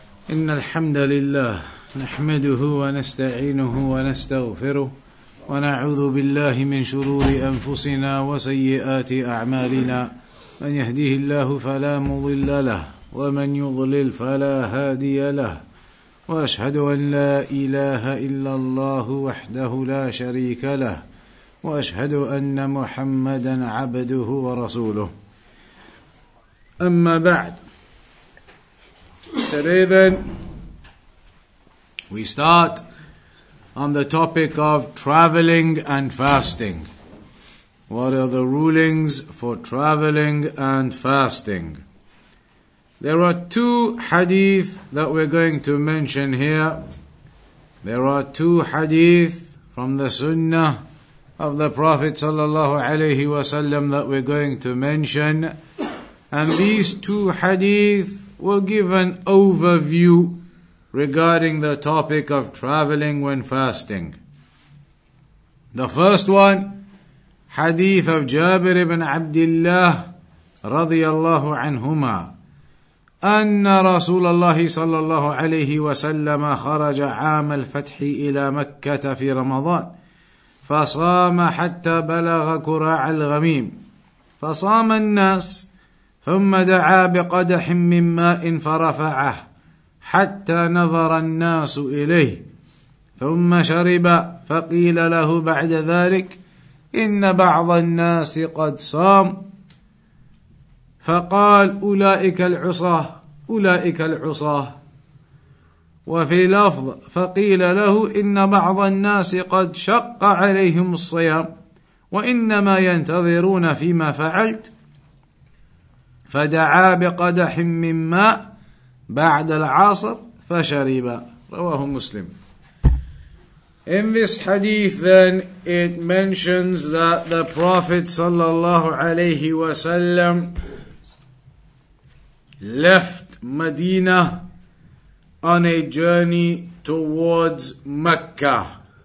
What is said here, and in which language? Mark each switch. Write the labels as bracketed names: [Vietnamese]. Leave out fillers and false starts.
[Arabic] إن الحمد لله نحمده ونستعينه ونستغفره ونعوذ بالله من شرور أنفسنا وسيئات أعمالنا من يهديه الله فلا مضل له ومن يضلل فلا هادي له وأشهد أن لا إله إلا الله وحده لا شريك له وأشهد أن محمدا عبده ورسوله أما بعد. [English] Today then, we start on the topic of traveling and fasting. What are the rulings for traveling and fasting? There are two hadith that we're going to mention here. There are two hadith from the sunnah of the Prophet sallallahu alaihi wasallam that we're going to mention. And these two hadith will give an overview regarding the topic of traveling when fasting. The first one, hadith of [Arabic] Jabir ibn Abdullah radiyallahu anhuma, anna Rasulullah sallallahu alayhi wa sallam kharaja 'am al-fath ila Makkah fi Ramadan fa sama hatta balagha qura' al-ghamim fa sama an-nas ثم دعا بقدح من ماء فرفعه حتى نظر الناس إليه ثم شرب فقيل له بعد ذلك إن بعض الناس قد صام فقال أولئك العصاة وفي لفظ فقيل له إن بعض الناس قد شق عليهم الصيام وإنما ينتظرون فيما فعلت فدعا بقدح من ماء بعد العصر فشرب رواه مسلم. [English] In this hadith then, it mentions that the Prophet sallallahu alayhi wasallam left Medina on a journey towards Mecca.